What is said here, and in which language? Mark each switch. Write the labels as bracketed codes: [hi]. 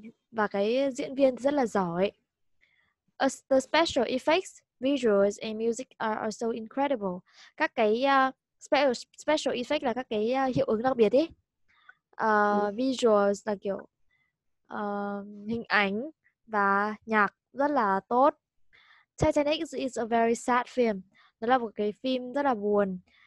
[vi] Và cái diễn viên rất là giỏi. [en] The special effects, visuals and music are also incredible. [vi] Các cái special effects là các cái hiệu ứng đặc biệt ý. Visuals là kiểu hình ảnh và nhạc rất là tốt. [en] Titanic is a very sad film. [vi] Đó là một cái phim rất là buồn.